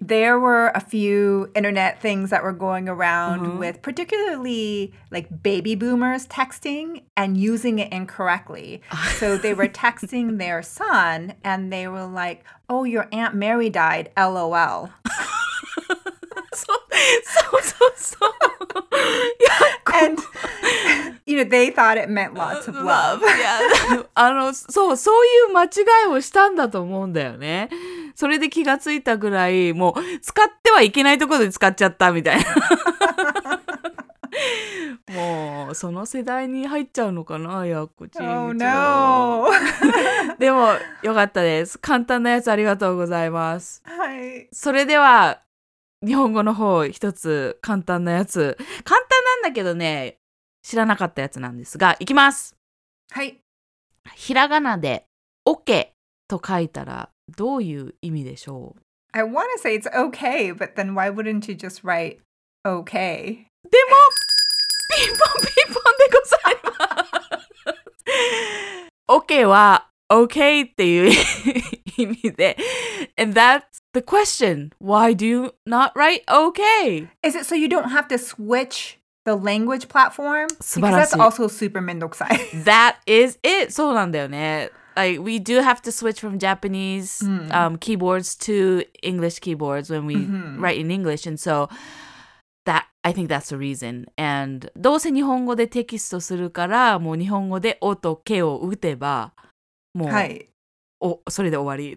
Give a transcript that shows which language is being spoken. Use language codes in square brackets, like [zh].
[en] There were a few internet things that were going around with particularly like baby boomers texting and using it incorrectly. So they were texting their son and they were like, oh, your Aunt Mary died, LOL. So. And, you know, they thought it meant lots of love. Yeah. [ja] あの、そう、そういう間違いをしたんだと思うんだよね。それで気がついたぐらい、もう使ってはいけないところで使っちゃったみたいな。もう、その世代に入っちゃうのかな、やっこち [en] ん。Oh, no! [ja] でも、よかったです。簡単なやつありがとうございます。はい。それでは、日本語の方一つ簡単なやつ。簡単なんだけどね、知らなかったやつなんですが、いきます。はい。ひらがなで、OK と書いたらどういう意味でしょう？ [en] I want to say it's OK, but then why wouldn't you just write OK? [ja] でも、ピンポンピンポンでございます。 OK は OK っていう意味で、 [en] And that's the question. Why do you not write OK? Is it so you don't have to switch the language platform? [ja] 素晴らしい。 [en] Because that's also super [ja] 面倒くさい。 [en] That is it. [ja] そうなんだよね。 [en] Like, we do have to switch from Japanese keyboards to English keyboards when we write in English. And so, that I think that's the reason. [ja] And どうせ日本語でテキストするから、もう日本語で O と K を打てば、もう、はい、お、それで終わり。